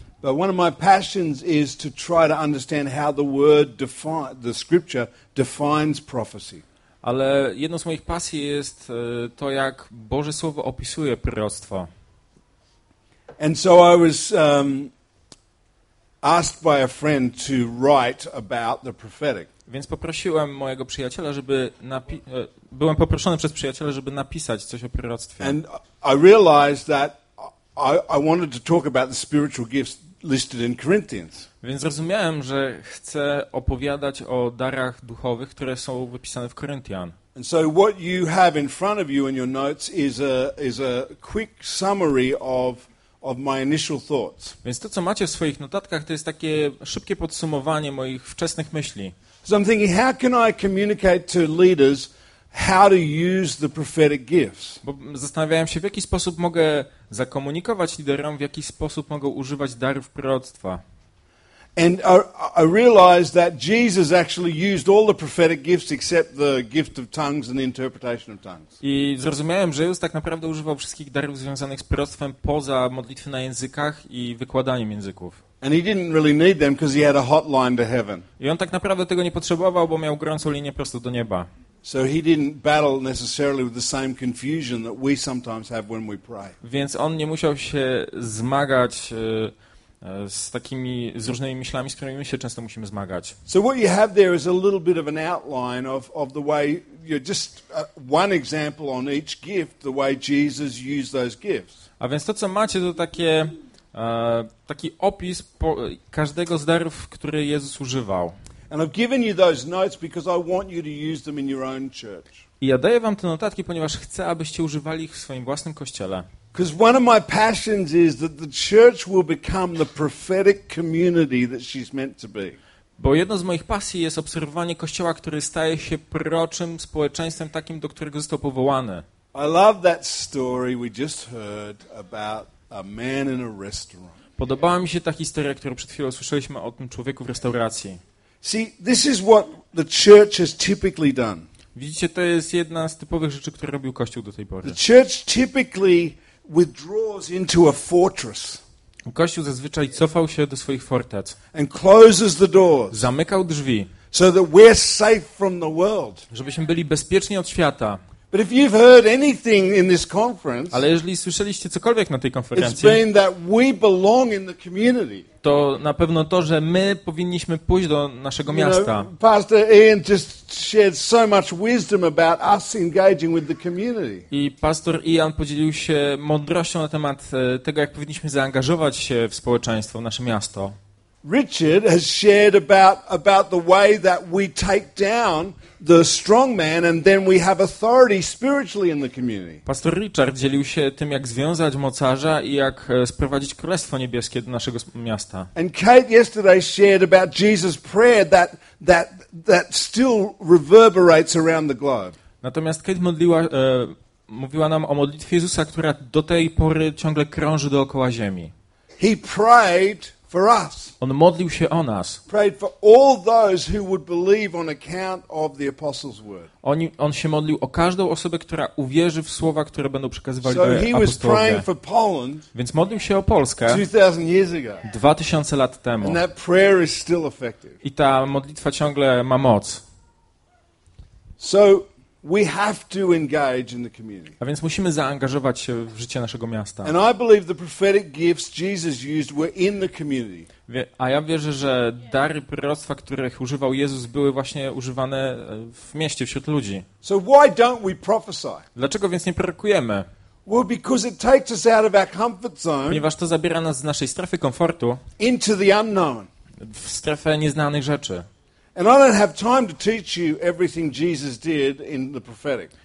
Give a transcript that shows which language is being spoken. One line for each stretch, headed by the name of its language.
English: But one of my passions is to try to understand how the word the scripture defines prophecy.
Polish: Ale jedną z moich pasji jest to, jak Boże Słowo opisuje proroctwo.
English: And so I was asked by a friend to write about the prophetic.
Polish: Więc poprosiłem mojego przyjaciela, żeby byłem poproszony przez przyjaciela, żeby napisać coś o proroctwie.
English: And I realized that I wanted to talk about the spiritual gifts listed in Corinthians.
Polish: Więc zrozumiałem, że chcę opowiadać o darach duchowych, które są wypisane w Koryntian.
English: And so what you have in front of you in your notes is a quick summary of my initial thoughts.
Polish: Więc to, co macie w swoich notatkach, to jest takie szybkie podsumowanie moich wczesnych myśli.
English: So I'm thinking, how can I communicate to leaders how to use the prophetic gifts?
Polish: Bo zastanawiałem się, w jaki sposób mogę zakomunikować liderom, w jaki sposób mogą używać darów proroctwa.
English: And I realized that Jesus actually used all the prophetic gifts except the gift of tongues and the interpretation of tongues.
Polish: I zrozumiałem, że Jezus tak naprawdę używał wszystkich darów związanych z proroctwem poza modlitwy na językach i wykładaniem języków.
English: And he didn't really need them because he had a hotline to heaven.
Polish: I on tak naprawdę tego nie potrzebował, bo miał gorącą linię prosto do nieba.
English: So he didn't battle necessarily with the same confusion that we sometimes have when we pray.
Polish: Więc on nie musiał się zmagać z takimi z różnymi myślami, z którymi my się często musimy zmagać.
English: So what you have there is a little bit of an outline of the way you're just one example on each gift, the way Jesus used those gifts.
Polish: A więc to, co macie, to takie taki opis każdego z darów, które Jezus używał.
English: And I've given you those notes because I want you to use them in your own church.
Polish: I ja daję wam te notatki, ponieważ chcę, abyście używali ich w swoim własnym kościele.
English: Because one of my passions is that the church will become the prophetic community that she's meant to be.
Polish: Bo jedną z moich pasji jest obserwowanie kościoła, który staje się proroczym społeczeństwem takim, do którego został powołany.
English: I love that story we just heard about a man in a restaurant.
Polish: Podobała mi się ta historia, którą przed chwilą słyszeliśmy o tym człowieku w restauracji.
English: See, this is what the church has typically done.
Polish: Widzicie, to jest jedna z typowych rzeczy, które robił Kościół do tej pory.
English: The church typically withdraws into a fortress.
Polish: Kościół zazwyczaj cofał się do swoich fortec.
English: And closes the doors.
Polish: Zamykał drzwi.
English: So that we're safe from the world.
Polish: Żebyśmy byli bezpieczni od świata.
English: But if you've heard anything in this conference,
Polish: ale jeżeli słyszeliście cokolwiek na tej konferencji,
English: it's been that we belong in the community.
Polish: To na pewno to, że my powinniśmy pójść do naszego miasta.
English: You know, Pastor Ian just shared so much wisdom about us engaging with the community.
Polish: I pastor Ian podzielił się mądrością na temat tego, jak powinniśmy zaangażować się w społeczeństwo, w nasze miasto.
English: Richard has shared about the way that we take down the strong man and then we have authority spiritually in the community.
Polish: Pastor Richard dzielił się tym, jak związać mocarza i jak sprowadzić królestwo niebieskie do naszego miasta.
English: And Kate yesterday shared about Jesus' prayer that still reverberates around the globe.
Polish: Natomiast Kate mówiła nam o modlitwie Jezusa, która do tej pory ciągle krąży dookoła ziemi.
English: He prayed for us.
Polish: On modlił się o nas.
English: Prayed for all those who would believe on account of the apostles' word.
Polish: On się modlił o każdą osobę, która uwierzy w słowa, które będą przekazywali do apostołów.
English: So he was praying for Poland.
Polish: Więc modlił się o Polskę.
English: 2000 years ago.
Polish: 2000 lat temu.
English: And that prayer is still effective.
Polish: I ta modlitwa ciągle ma moc.
English: So we have to engage in the community.
Polish: A więc musimy zaangażować się w życie naszego miasta.
English: And I believe the prophetic gifts Jesus used were in the community.
Polish: A ja wierzę, że dary proroctwa, których używał Jezus, były właśnie używane w mieście, wśród ludzi.
English: So why don't we prophesy?
Polish: Dlaczego więc nie prorokujemy?
English: Well, because it takes us out of our comfort zone.
Polish: Ponieważ to zabiera nas z naszej strefy komfortu.
English: Into the unknown.
Polish: W strefę nieznanych rzeczy.
English: And I don't have time to teach you everything Jesus did in the prophetic.